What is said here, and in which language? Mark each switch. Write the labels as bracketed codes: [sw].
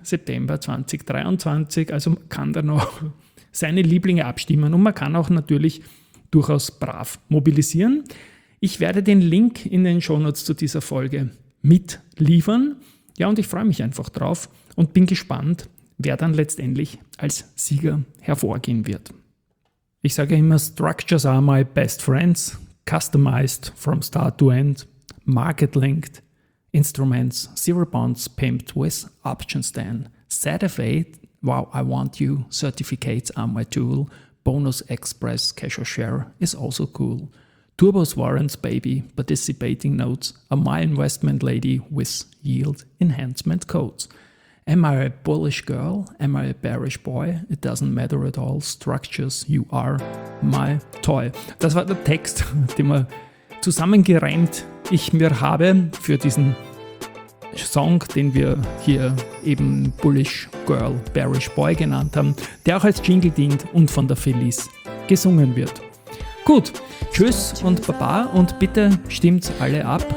[de] September 2023. Also man kann da noch seine Lieblinge abstimmen und man kann auch natürlich durchaus brav mobilisieren. Ich werde den Link in den Shownotes zu dieser Folge mitliefern. Ja, und ich freue mich einfach drauf und bin gespannt, wer dann letztendlich als Sieger hervorgehen wird. Ich sage immer, [en] Structures are my best friends, customized from start to end, market-linked, instruments, zero bonds, pimped with options then, ZFA, wow, I want you, certificates are my tool, bonus express, cash or share is also cool. Turbos warrants, baby, participating notes, are my investment lady with yield enhancement codes. Am I a bullish girl? Am I a bearish boy? It doesn't matter at all. Structures, you are my toy. [de] Das war der Text, den wir zusammengereimt ich mir habe für diesen Song, den wir hier eben Bullish Girl, Bearish Boy genannt haben, der auch als Jingle dient und von der Feliz gesungen wird. Gut, tschüss und Baba und bitte stimmt alle ab.